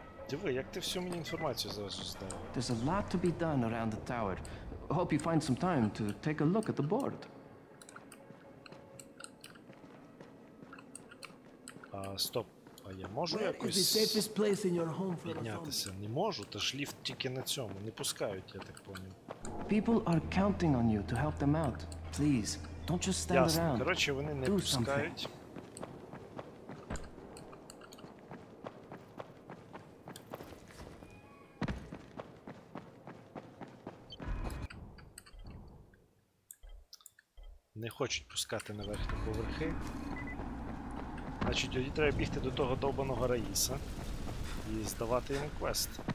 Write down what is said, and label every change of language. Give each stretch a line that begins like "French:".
Ukrainian: Диви, як ти всю мені інформацію зараз здав?
English: There's a lot to be done around the tower. Hope you find some time to take a look at the board.
Ukrainian: А, стоп. А я можу якось піднятися? Не можу, та ж ліфт тільки на цьому. Не пускають, я так поняв.
English: People are counting on you to help them out. Please, don't just stand around.
Ukrainian: Ясно. Короче, вони не пускають. Не хочуть пускати на верхні поверхи. Значить, тоді треба бігти до того довбаного Раїса і здавати йому квест.